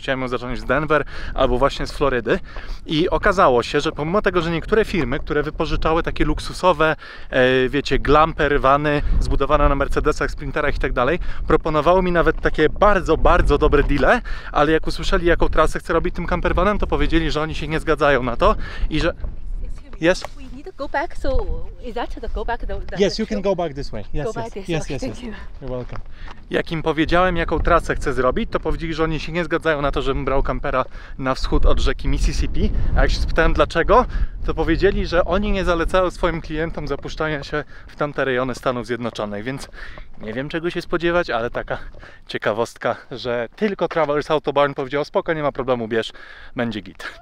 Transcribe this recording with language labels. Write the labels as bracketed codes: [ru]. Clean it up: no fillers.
[pl] Chciałem ją zacząć z Denver albo właśnie z Florydy. I okazało się, że pomimo tego, że niektóre firmy, które wypożyczały takie luksusowe, wiecie, glamper, vany zbudowane na Mercedesach, Sprinterach i tak dalej, proponowały mi nawet takie bardzo, bardzo dobre deale, ale jak usłyszeli, jaką trasę chcę robić tym camperwanem, to powiedzieli, że oni się nie zgadzają na to. I że... [en] Yes. We need to go back, so is that to go back? Yes, you can go back this way. Yes. You're welcome. [pl] Jak im powiedziałem, jaką trasę chcę zrobić, to powiedzieli, że oni się nie zgadzają na to, żebym brał kampera na wschód od rzeki Mississippi. A jak się spytałem dlaczego, to powiedzieli, że oni nie zalecają swoim klientom zapuszczania się w tamte rejony Stanów Zjednoczonych, więc nie wiem czego się spodziewać, ale taka ciekawostka, że tylko Travelers Autobahn powiedział, spoko, nie ma problemu, bierz, będzie git.